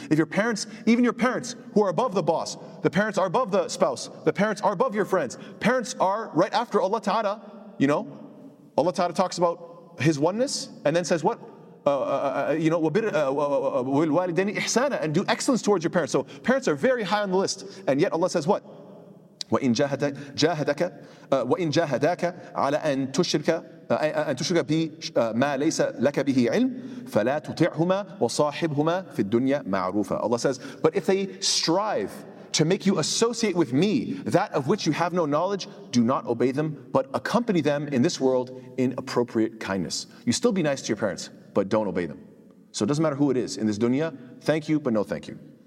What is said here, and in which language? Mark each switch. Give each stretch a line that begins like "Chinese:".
English: If your parents, even your parents who are above the boss, the parents are above the spouse, the parents are above your friends. Parents are right after Allah Ta'ala, you know. Allah Ta'ala talks about His oneness and then says what? And do excellence towards your parents. So parents are very high on the list. And yet Allah says what?
Arabic: وَإِن جَاهَدَكَ عَلَىٰ أَن تُشْرِكَ أن تشرك بما ليس لك به علم فلا تطعهما وصاحبهما في الدنيا معروفا.
English: Allah says, but if they strive to make you associate with me that of which you have no knowledge, do not obey them, but accompany them in this world in appropriate kindness. You still be nice to your parents, but don't obey them. So it doesn't matter who it is in this dunya, thank you, but no thank you.